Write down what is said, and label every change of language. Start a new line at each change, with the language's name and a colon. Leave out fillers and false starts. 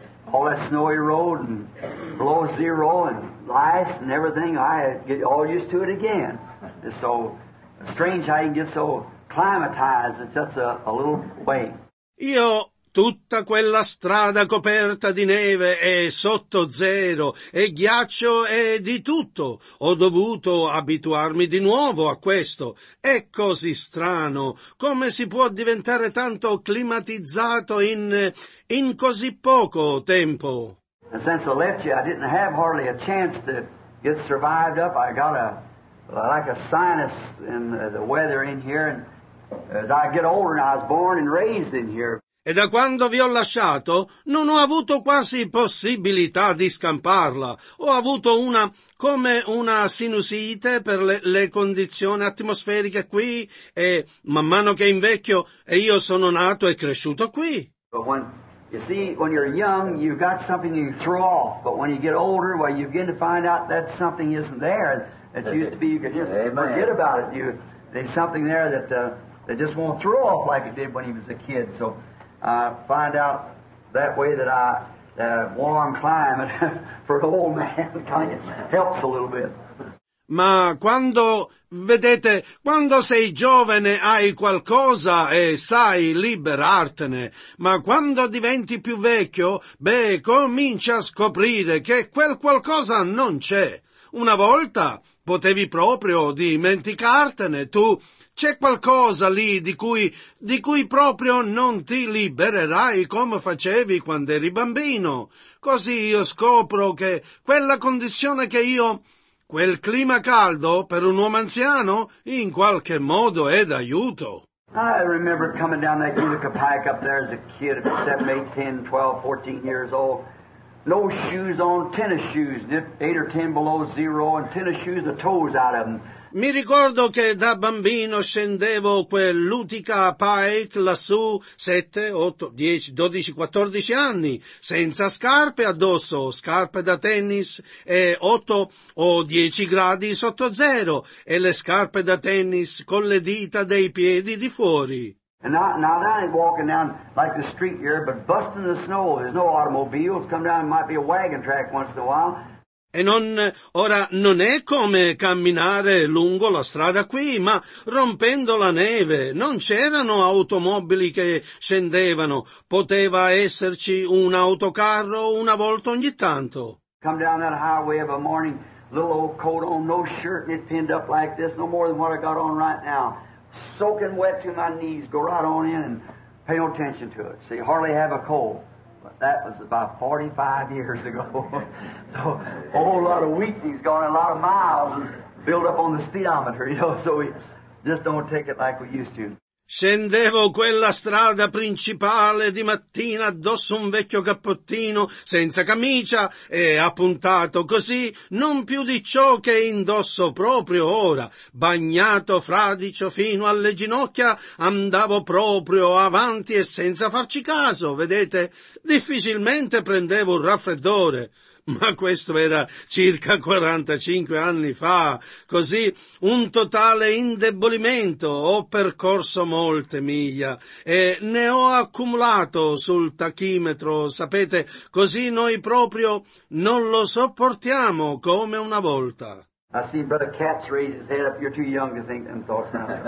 English: All that snowy road and below zero and lice and everything, I get all used to it again. It's so strange how you get so climatized, it's just a little way.
Italian: Io, tutta quella strada coperta di neve e sotto zero e ghiaccio e di tutto, ho dovuto abituarmi di nuovo a questo. È così strano come si può diventare tanto climatizzato in così poco tempo.
English: And since I left you, I didn't have hardly a chance to get survived up. I got a like a sinus in the weather in here, and as I get older, I was born and raised in here.
Italian: e da quando vi ho lasciato non ho avuto quasi possibilità di scamparla. Ho avuto una come una sinusite per le condizioni atmosferiche qui e man mano che invecchio e io sono nato e cresciuto qui.
English: You see, when you're young, you've got something you throw off. But when you get older, well, you begin to find out that something isn't there that used to be. You could just forget about it. There's something there that that just won't throw off like it did when he was a kid. So I find out that way that I warm climate for an old man kind of helps a little bit.
Italian: Ma quando, vedete, quando sei giovane hai qualcosa e sai liberartene, ma quando diventi più vecchio, beh, cominci a scoprire che quel qualcosa non c'è. Una volta potevi proprio dimenticartene, tu, c'è qualcosa lì di cui proprio non ti libererai come facevi quando eri bambino. Così io scopro che quella condizione che io... Quel clima caldo per un uomo anziano in qualche modo è d'aiuto.
English: I remember coming down that Utica Pike up there as a kid of 7, 8, 10, 12, 14 years old. No shoes on, tennis shoes, 8 or 10 below zero, and tennis shoes the toes out of them.
Italian: Mi ricordo che da bambino scendevo quell'Utica Pike lassù 7, 8, 10, 12, 14 anni, senza scarpe addosso, scarpe da tennis e 8 o 10 gradi sotto zero e le scarpe da tennis con le dita dei piedi di fuori.
English: And now that ain't walking down like the street here, but busting the snow, there's no automobiles, come down, might be a wagon track once in a while.
Italian: E non è come camminare lungo la strada qui, ma rompendo la neve, non c'erano automobili che scendevano, poteva esserci un autocarro una volta ogni tanto.
English: Come down that highway of a morning, little old coat on, no shirt, and it pinned up like this, no more than what I got on right now, soaking wet to my knees, go right on in and pay no attention to it, see, hardly have a cold. That was about 45 years ago. So a whole lot of weakness gone, a lot of miles built up on the speedometer, you know, so we just don't take it like we used to.
Italian: Scendevo quella strada principale di mattina addosso un vecchio cappottino senza camicia e appuntato così non più di ciò che indosso proprio ora, bagnato fradicio fino alle ginocchia, andavo proprio avanti e senza farci caso, vedete, difficilmente prendevo un raffreddore. Ma questo era circa 45 anni fa, così un totale indebolimento, ho percorso molte miglia e ne ho accumulato sul tachimetro, sapete, così noi proprio non lo sopportiamo come una volta.
English: I see Brother Katz raise his head up, you're too young to think them thoughts now.